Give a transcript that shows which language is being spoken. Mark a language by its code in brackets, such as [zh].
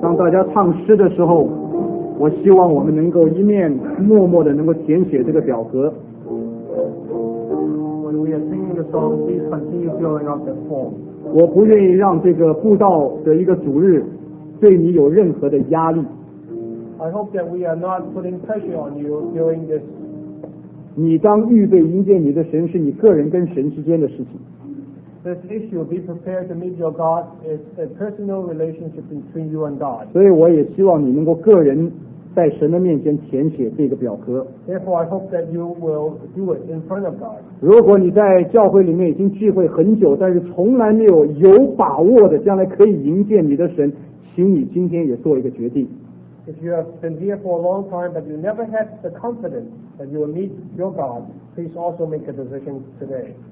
[zh] 当大家唱诗的时候，我希望我们能够一面默默的能够填写这个表格。 [en] When we are singing the song, please continue filling out the form. [zh] 我不愿意让这个布道的一个主日对你有任何的压力。 [en] I hope that we are not putting pressure on you during this. [zh] 你当预备迎接你的神是你个人跟神之间的事情。 [en] This issue, be prepared to meet your God, is a personal relationship between you and God. [zh] 所以我也希望你能够个人在神的面前填写这个表格。 [en] Therefore, I hope that you will do it in front of God. [zh] 如果你在教会里面已经聚会很久，但是从来没有有把握的将来可以迎接你的神，请你今天也做一个决定。 [en] If you have been here for a long time, but you never had the confidence that you will meet your God, please also make a decision today.